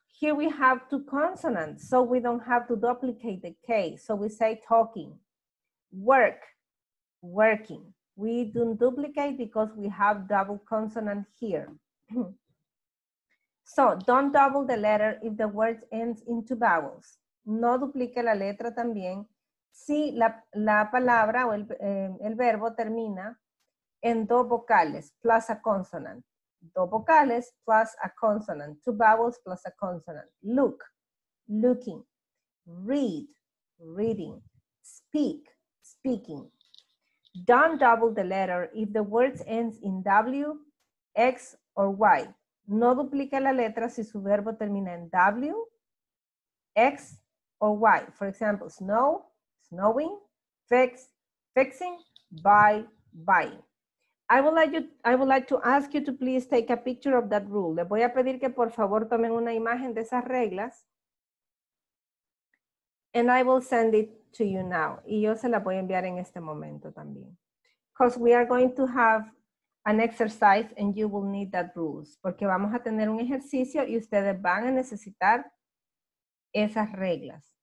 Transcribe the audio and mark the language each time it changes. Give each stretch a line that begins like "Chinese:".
English: Here we have two consonants, so we don't have to duplicate the K. So we say talking. Work, working. We don't duplicate because we have double consonant here. So, don't double the letter if the word ends in two vowels.
Spanish: No duplique la letra también si la palabra o el verbo termina en dos vocales
English: plus a consonant.
Spanish: Dos vocales
English: plus a consonant. Two vowels plus a consonant. Look, looking. Read, reading. Speak, speaking. Don't double the letter if the word ends in W, X, or Y.
Spanish: No duplique la letra si su verbo termina en W, X, or Y.
English: For example, snow, snowing, fix, fixing, buy, buying. I would like to ask you to please take a picture of that rule.
Spanish: Le voy a pedir que por favor tomen una imagen de esas reglas.
English: And I will send it to you now.
Spanish: Y yo se la voy a enviar en este momento también.
English: Because we are going to have an exercise and you will need that rules.
Spanish: Porque vamos a tener un ejercicio y ustedes van a necesitar esas reglas.